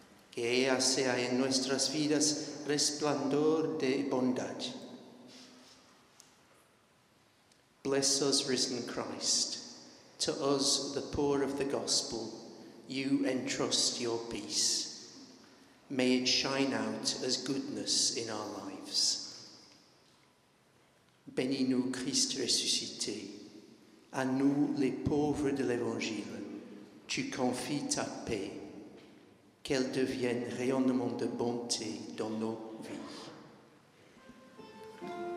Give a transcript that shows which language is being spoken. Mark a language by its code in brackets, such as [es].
[es] Que ella sea en nuestras vidas resplandor de bondad. [en] Bless us, risen Christ. To us, the poor of the gospel, you entrust your peace. May it shine out as goodness in our lives. [fr] Béni nous, Christ ressuscité. À nous, les pauvres de l'Évangile, tu confies ta paix. Qu'elle devienne rayonnement de bonté dans nos vies.